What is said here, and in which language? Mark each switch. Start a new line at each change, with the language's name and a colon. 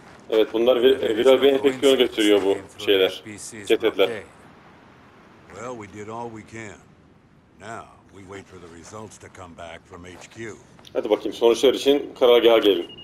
Turkish: Evet bunlar viral bir enfeksiyon gösteriyor bu şeyler.
English: Cesetler. Well, we did all we can. Now we wait for the results to come back from HQ.
Turkish: Hadi bakayım sonuçlar için karargaha gelin.